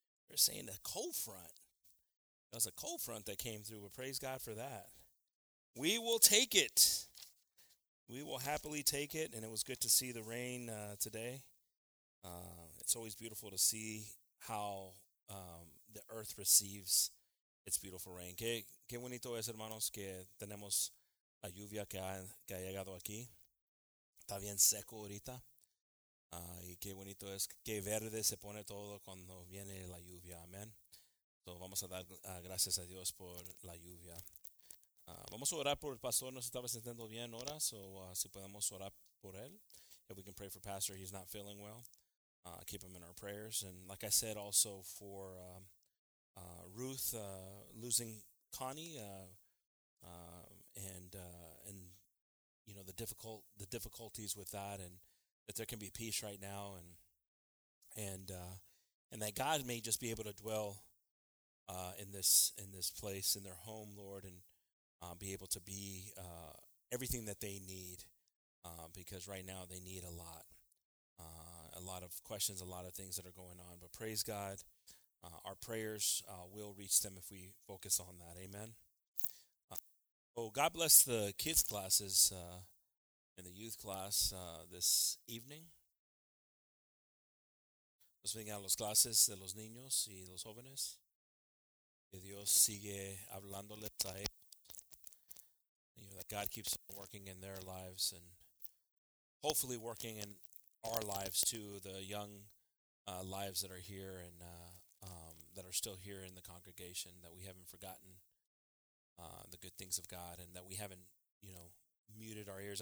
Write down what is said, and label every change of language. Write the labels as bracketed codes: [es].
[en] They're saying the cold front. That was a cold front that came through, but praise God for that. We will take it. We will happily take it, and it was good to see the rain today. It's always beautiful to see how the earth receives its beautiful rain. [es] Qué bonito es, hermanos, que tenemos la lluvia que ha llegado aquí. Está bien seco ahorita. Y qué bonito es, qué verde se pone todo cuando viene la lluvia. Amén. So vamos a dar gracias a Dios por la lluvia. Vamos a orar por el pastor. No se estaba sintiendo bien ahora, so si podemos orar por él. [en] If we can pray for pastor, he's not feeling well. Keep him in our prayers. And like I said, also for Ruth losing Connie and you know the difficulties with that, and that there can be peace right now, and that God may just be able to dwell in this place, in their home, Lord, and be able to be everything that they need, because right now they need a lot. A lot of questions, a lot of things that are going on. But praise God, our prayers will reach them if we focus on that. Amen. God bless the kids' classes and the youth class this evening. [es] Los venga a las clases de los niños y los jóvenes. Que Dios sigue hablándoles a ellos. [en] You know, that God keeps on working in their lives and hopefully working in our lives too, the young lives that are here and that are still here in the congregation, that we haven't forgotten the good things of God, and that we haven't, you know, muted our ears.